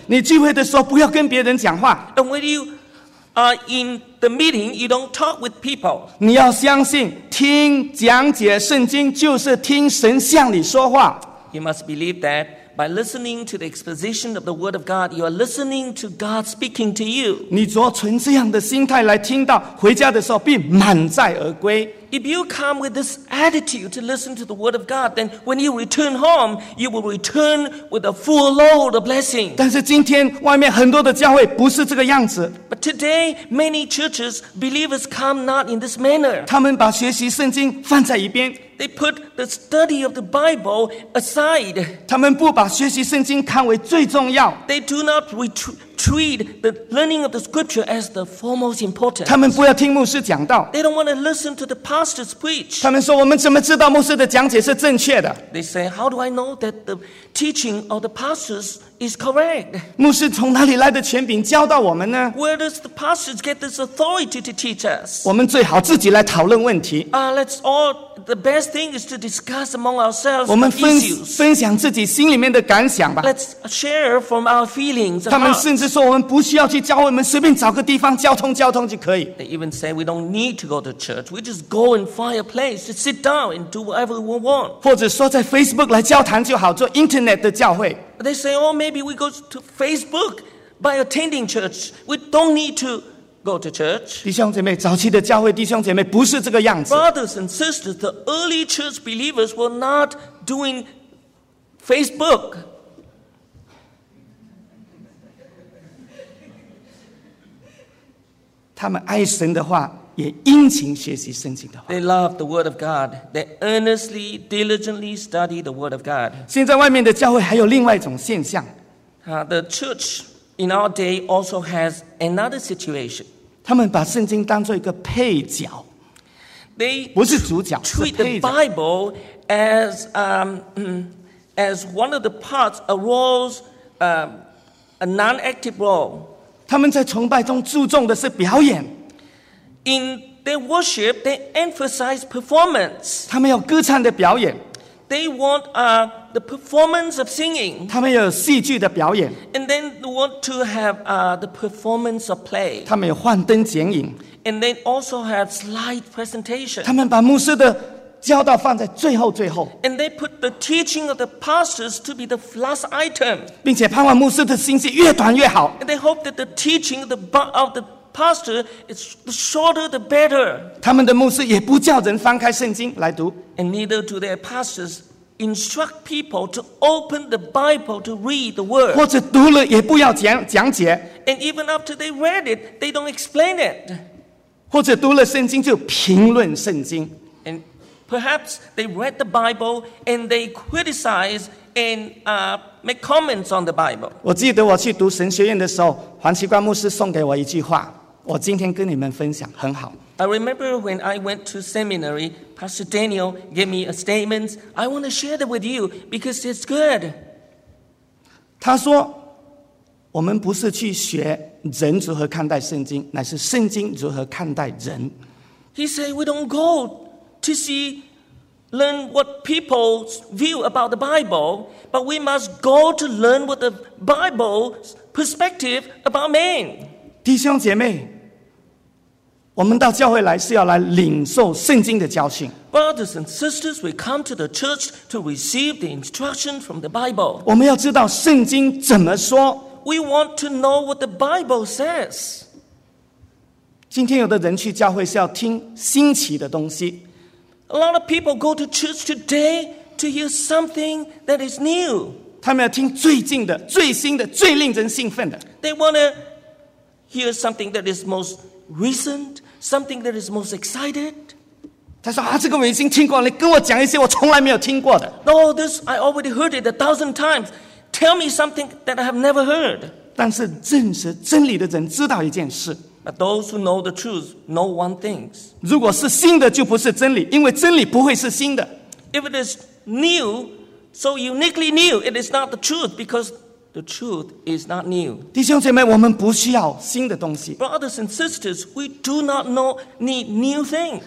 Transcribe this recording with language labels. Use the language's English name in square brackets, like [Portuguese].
[Chinese] 你聚会的时候不要跟别人讲话。 [English] And when you are in. The meeting, you don't talk with people. [Chinese] 你要相信，听讲解圣经就是听神向你说话。 [English] You must believe that by listening to the exposition of the Word of God, you are listening to God speaking to you. [Chinese] 你若存这样的心态来听到，回家的时候必满载而归。 [English] If you come with this attitude to listen to the Word of God, then when you return home, you will return with a full load of blessing. [Chinese] 但是今天外面很多的教会不是这个样子。 [English] But today, many churches, believers come not in this manner. [Chinese] 他们把学习圣经放在一边。 [English] They put the study of the Bible aside. [Chinese] 他们不把学习圣经看为最重要。 [English] They do not treat the learning of the scripture as the foremost importance. [Chinese] 他们不要听牧师讲道。 [English] They don't want to listen to the pastor's preach. [Chinese] 他们说我们怎么知道牧师的讲解是正确的？ [English] They say, how do I know that the teaching of the pastors is correct? [Chinese] 牧师从哪里来的权柄教导我们呢？ [English] Where does the pastors get this authority to teach us? [Chinese] 我们最好自己来讨论问题。 [English] Let's all, the best thing is to discuss among ourselves the issues. [Chinese] 分享自己心里面的感想吧。 [English] Let's share from our feelings. [Chinese] 他们甚至说我们不需要去教会，我们随便找个地方交通交通就可以。 [English] They even say we don't need to go to church. We just go and find a place to sit down and do whatever we want. [Chinese] 或者说在 Facebook 来交谈就好，做 Internet 的教会。 [English] They say, oh, maybe we go to Facebook by attending church. We don't need to go to church. [Chinese] 弟兄姐妹，早期的教会弟兄姐妹不是这个样子。 [English] Brothers and sisters, the early church believers were not doing Facebook. [Chinese] 他们爱神的话，也殷勤学习圣经的话。 [English] They love the word of God. They earnestly, diligently study the word of God. [Chinese] 现在外面的教会还有另外一种现象。 [English] The church in our day also has another situation. [Chinese] 他们把圣经当作一个配角。 [English] They [Chinese] 不是主角，是配角。 [English] Treat the Bible as one of the parts, a role, a non-active role. [Chinese] 他们在崇拜中注重的是表演。 [English] In their worship, they emphasize performance. [Chinese] 他们有歌唱的表演。 [English] They want the performance of singing. [Chinese] 他们有戏剧的表演。 [English] And then they want to have the performance of play. [Chinese] 他们有幻灯剪影。 [English] And they also have slide presentation. [Chinese] 他们把牧师的教导放在最后最后。 [English] And they put the teaching of the pastors to be the last item. [Chinese] 并且盼望牧师的信息越短越好。 [English] And they hope that the teaching of the Pastor, it's the shorter the better. [Chinese] 他们的牧师也不叫人翻开圣经来读。 [English] And neither do their pastors instruct people to open the Bible to read the word. [Chinese] 或者读了也不要讲解。 [English] And even after they read it, they don't explain it. [Chinese] 或者读了圣经就评论圣经。 [English] And perhaps they read the Bible and they criticize and make comments on the Bible. [Chinese] 我记得我去读神学院的时候，黄奇冠牧师送给我一句话，我今天跟你们分享，很好。 [English] I remember when I went to seminary, Pastor Daniel gave me a statement. I want to share that with you because it's good. [Chinese] 他说，我们不是去学人如何看待圣经，乃是圣经如何看待人。 [English] He said we don't go to see. Learn what people's view about the Bible, but we must go to learn what the Bible's perspective about man. [Chinese] 弟兄姐妹，我们到教会来是要来领受圣经的教训。 [English] Brothers and sisters, we come to the church to receive the instruction from the Bible. [Chinese] 我们要知道圣经怎么说。 [English] We want to know what the Bible says. [Chinese] 今天有的人去教会是要听新奇的东西。 [English] A lot of people go to church today to hear something that is new. [Chinese] 他们要听最近的、最新的、最令人兴奋的。 [English] They want to hear something that is most recent, something that is most excited. [Chinese] 他说，这个我已经听过了，你跟我讲一些我从来没有听过的。 [English] No, this, I already heard it 1,000 times. Tell me something that I have never heard. [Chinese] 但是认识真理的人知道一件事。 [English] But those who know the truth know one thing. [Chinese] 如果是新的，就不是真理，因为真理不会是新的。 [English] If it is new, so uniquely new, it is not the truth, because the truth is not new. [Chinese] 弟兄姐妹，我们不需要新的东西。 [English] Brothers and sisters, we do not need new things.